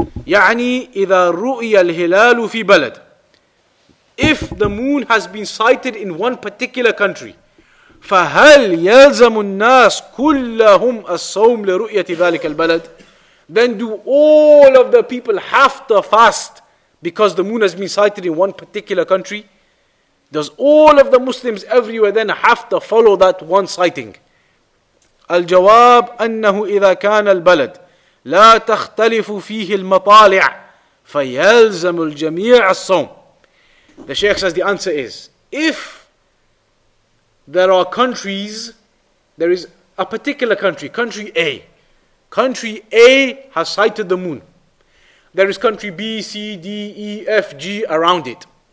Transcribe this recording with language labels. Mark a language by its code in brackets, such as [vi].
[ar] يَعْنِي إِذَا رُؤِيَ الْهِلَالُ فِي بَلَدٍ. [en] If the moon has been sighted in one particular country, [ar] فَهَلْ يَلْزَمُ النَّاسِ كُلَّهُمْ الصَّوْمِ لِرُؤْيَةِ ذَلِكَ الْبَلَدِ. [en] Then do all of the people have to fast because the moon has been sighted in one particular country? Does all of the Muslims everywhere then have to follow that one sighting? [ar] الجواب أنه إذا كان البلد لا تختلف فيه المطالع فيلزم الجميع الصوم. [en] The Shaykh says the answer is, if there are countries, there is a particular country, country A. Country A has sighted the moon. There is country B, C, D, E, F, G around it.